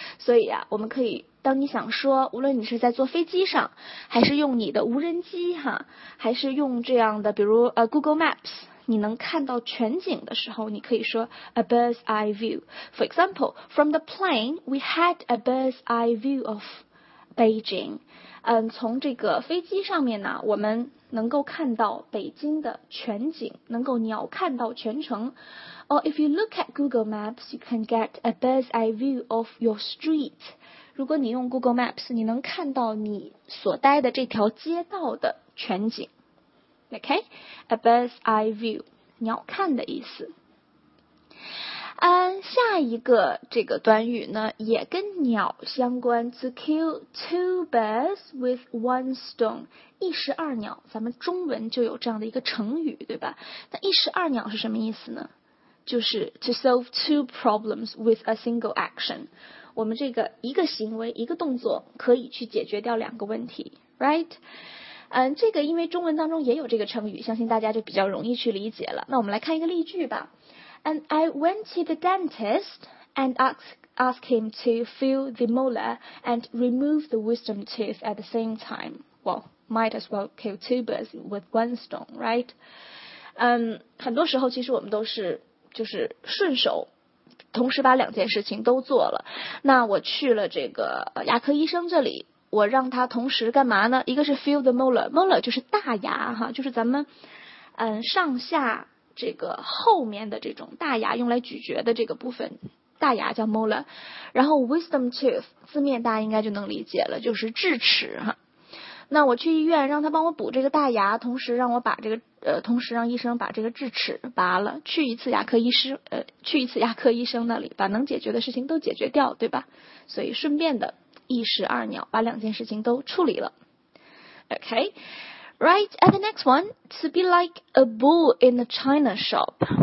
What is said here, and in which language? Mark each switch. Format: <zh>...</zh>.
<zh>所以啊，我们可以当你想说，无论你是在坐飞机上，还是用你的无人机哈，还是用这样的比如Google Maps，你能看到全景的时候，你可以说</zh> <en>a bird's eye view. For example, from the plane, we had a bird's eye view of Beijing.</en> <zh>从这个飞机上面呢，我们能够看到北京的全景，能够鸟瞰到全城。</zh> <en>Or if you look at Google Maps, you can get a bird's eye view of your street.</en> <zh>如果你用 Google Maps, 你能看到你所待的这条街道的全景。</zh> <en>Okay, a bird's eye view,</en> <zh>鸟瞰的意思。下一个这个短语呢，也跟鸟相关 ，</zh> <en>to kill two birds with one stone,</en> <zh>一石二鸟。咱们中文就有这样的一个成语，对吧？那一石二鸟是什么意思呢？就是</zh> <en>to solve two problems with a single action。</en> <zh>我们这个一个行为，一个动作，可以去解决掉两个问题 ，right？这个因为中文当中也有这个成语，相信大家就比较容易去理解了。那我们来看一个例句吧。</zh> <en>And I went to the dentist and asked him to fill the molar and remove the wisdom tooth at the same time. Well, might as well kill two birds with one stone, right?</en> <zh>很多时候其实我们都是就是顺手同时把两件事情都做了。那我去了这个牙科医生这里，我让他同时干嘛呢？一个是</zh> <en>fill the molar</en> <zh>就是大牙哈，就是咱们上下这个后面的这种大牙用来咀嚼的这个部分，大牙叫 molar。然后 wisdom tooth 字面大家应该就能理解了，就是智齿哈。那我去医院让他帮我补这个大牙，同时让我把这个同时让医生把这个智齿拔了，去一次牙科医师去一次牙科医生那里，把能解决的事情都解决掉，对吧？所以顺便的一石二鸟，把两件事情都处理了。</zh> <en>OK, right, and the next one, to be like a bull in a China shop.</en>